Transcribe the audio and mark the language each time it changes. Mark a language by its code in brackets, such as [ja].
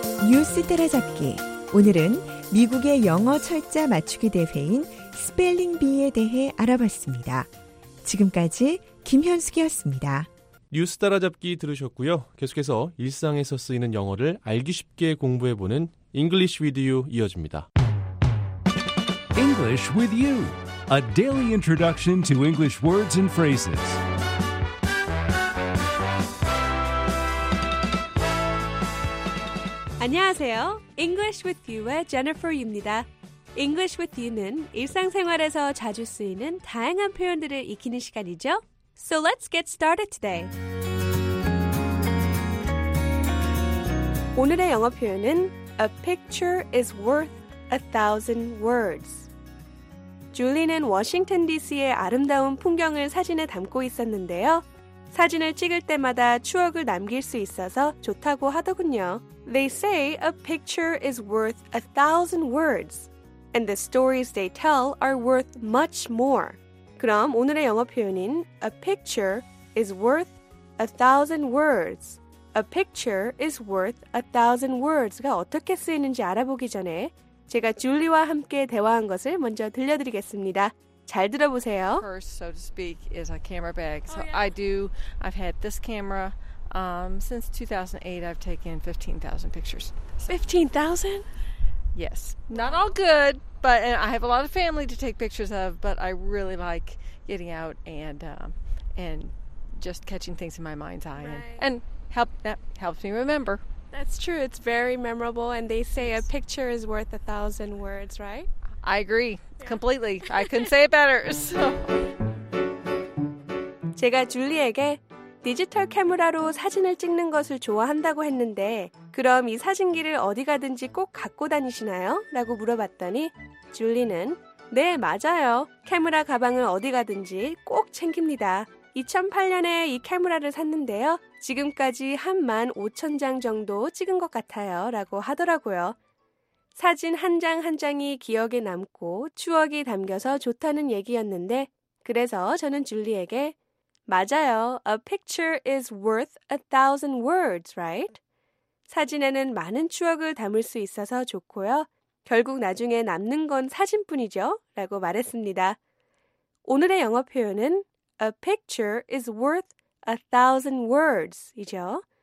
[ko] 뉴스 따라잡기. 오늘은 미국의 영어 철자 맞추기 대회인 스펠링비에 대해 알아봤습니다. 지금까지 김현숙이었습니다. 뉴스 따라잡기 들으셨고요. 계속해서 일상에서 쓰이는 영어를 알기 쉽게 공부해보는 English with you 이어집니다. [en] English with you, a daily introduction to English words and phrases. [ko] 안녕하세요. English with you의 Jennifer입니다. English with you는 일상생활에서 자주 쓰이는 다양한 표현들을 익히는 시간이죠. [en] So let's get started today. [ko] 오늘의 영어 표현은 [en] A picture is worth a thousand words. [ko] 줄리는 워싱턴 DC의 아름다운 풍경을 사진에 담고 있었는데요. 사진을 찍을 때마다 추억을 남길 수 있어서 좋다고 하더군요. [en] They say a picture is worth a thousand words, and the stories they tell are worth much more. [ko] 그럼 오늘의 영어 표현인 [en] A picture is worth a thousand words. A picture is worth a thousand words [ko] 가 어떻게 쓰이는지 알아보기 전에 제가 줄리와 함께 대화한 것을 먼저 들려드리겠습니다. 잘 들어보세요. [en] First, so to speak, is a camera bag. So oh, yeah. I do, I've had this camera. Since 2008, I've taken 15,000 pictures. So. 15,000? Yes. Not all good. But and I have a lot of family to take pictures of, but I really like getting out and just catching things in my mind's eye. Right. And that helps me remember. That's true. It's very memorable. And they say a picture is worth a thousand words, right? I agree. Yeah. Completely. I couldn't say it better. So. [ko] 제가 줄리에게 디지털 카메라로 사진을 찍는 것을 좋아한다고 했는데 그럼 이 사진기를 어디 가든지 꼭 갖고 다니시나요? 라고 물어봤더니 줄리는 네, 맞아요. 카메라 가방을 어디 가든지 꼭 챙깁니다. 2008년에 이 카메라를 샀는데요. 지금까지 한 15,000장 정도 찍은 것 같아요. 라고 하더라고요. 사진 한 장 한 장이 기억에 남고 추억이 담겨서 좋다는 얘기였는데 그래서 저는 줄리에게 맞아요. [en] A picture is worth a thousand words, right? [ko] 사진에는 많은 추억을 담을 수 있어서 좋고요. 결국 나중에 남는 건 사진뿐이죠? 라고 말했습니다. 오늘의 영어 표현은 [en] A picture is worth a thousand words이죠.